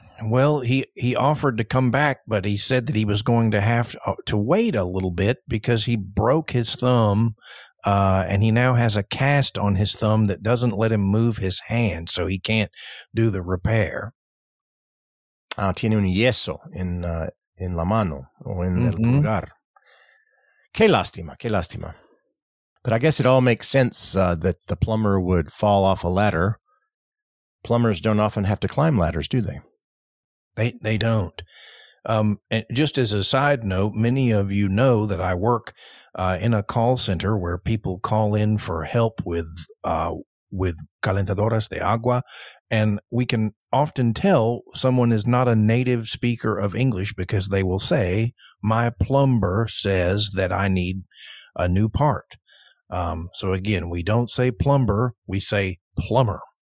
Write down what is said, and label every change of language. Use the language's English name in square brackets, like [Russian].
[English] Well, he offered to come back, but he said that he was going to have to wait a little bit because he broke his thumb. And he now has a cast on his thumb that doesn't let him move his hand, so he can't do the repair. [Spanish] Tiene un yeso en la mano o en el pulgar. Qué lástima, qué lástima. [English] But I guess it all makes sense that the plumber would fall off a ladder. Plumbers don't often have to climb ladders, do they? They don't. And just as a side note, many of you know that I work in a call center where people call in for help with [Spanish] calentadoras de agua, [English] and we can often tell someone is not a native speaker of English because they will say, my plumber says that I need a new part. So again, we don't say plumber, we say plumber.